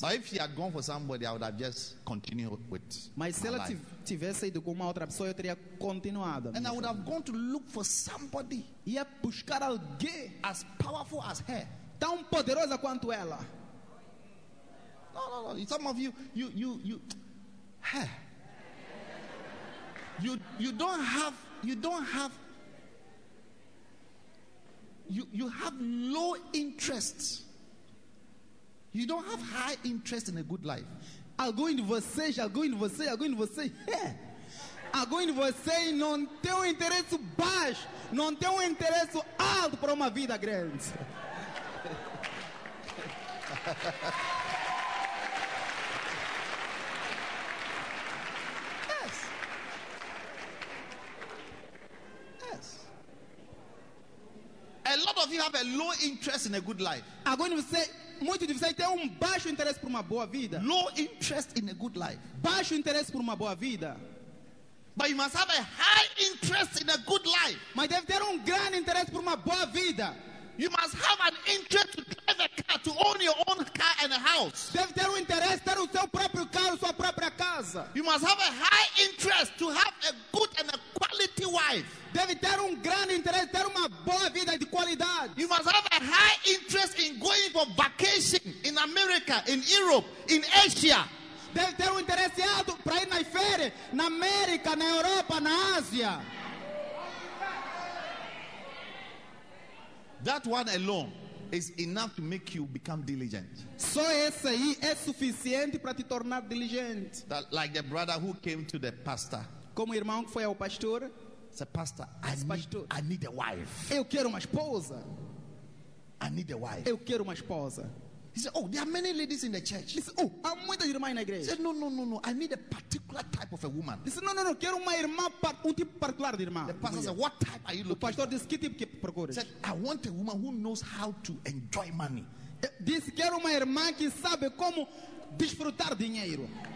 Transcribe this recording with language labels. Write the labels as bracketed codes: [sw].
[en] But if she had gone for somebody, I would have just continued with. [pt] Mas se ela tivesse ido com uma outra pessoa, eu teria continuado. [en] And I would have gone to look for somebody. [pt] Ia buscar alguém [en] as powerful as her. [pt] Tão poderosa quanto ela. [en] No. Some of you have low interest. You don't have high interest in a good life. [pt] Algo em você. Algo em você não tem um interesse baixo, não tem um interesse alto para uma vida grande. [en] A lot of you have a low interest in a good life. [pt] Agora você, muito de você tem baixo interesse por uma boa vida. [en] Low interest in a good life. [pt] Baixo interesse por uma boa vida. [en] But you must have a high interest in a good life. [pt] Mas deve ter grande interesse por uma boa vida. [en] You must have an interest to drive a car, to own your own car and a house. [pt] Deve ter interesse ter o seu próprio carro, sua própria casa. [en] You must have a high interest to have a good and a quality wife. [pt] Deve ter grande interesse ter uma boa vida de qualidade. [en] You must have a high interest in going for vacation in America, in Europe, in Asia. [pt] Deve ter interesse alto para ir nas férias na América, na Europa, na Ásia. [en] That one alone is enough to make you become diligent. [pt] Só esse aí é suficiente para te tornar diligente. [en] That, like the brother who came to the pastor. [pt] Como o irmão que foi ao pastor. [en] Said, pastor, I need a wife. [pt] Eu quero uma esposa. [en] I need a wife. [pt] Eu quero uma esposa. [en] He said, oh, there are many ladies in the church. [pt] Disse, oh, há muitas irmãs na igreja. [en] He said, no, I need a particular type of a woman. [pt] Disse, no, quero uma irmã, tipo particular de irmã. [en] The pastor said, what type are you looking for? [pt] O pastor disse, que tipo que procuras? [en] Said, I want a woman who knows how to enjoy money. [pt] Disse, quero uma irmã que sabe como desfrutar dinheiro.